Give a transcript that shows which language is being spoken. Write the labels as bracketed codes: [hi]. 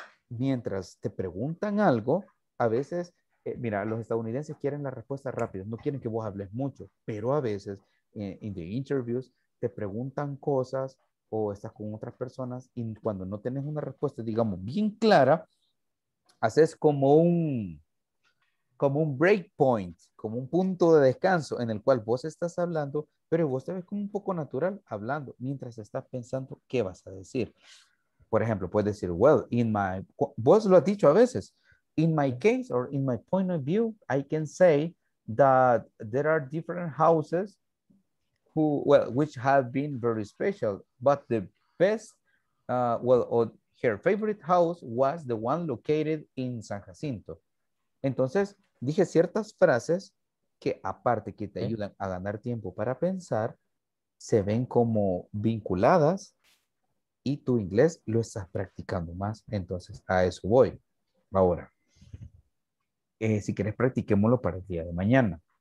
[es] Mientras te preguntan algo, a veces, mira, los estadounidenses quieren la respuesta rápida, no quieren que vos hables mucho, pero a veces, [en] in the interviews, [es] te preguntan cosas o estás con otras personas y cuando no tenés una respuesta, digamos, bien clara, haces como un break point, como un punto de descanso en el cual vos estás hablando, pero vos te ves como un poco natural hablando mientras estás pensando qué vas a decir. Por ejemplo, puedes decir, [en] well, [es] vos lo has dicho a veces, [en] in my case or in my point of view, I can say that there are different houses which have been very special, but the best, her favorite house was the one located in San Jacinto. [es] Entonces, dije ciertas frases que aparte que te ayudan a ganar tiempo para pensar, se ven como vinculadas y tu inglés lo estás practicando más. Entonces, a eso voy. Ahora, si quieres, practiquémoslo para el día de mañana.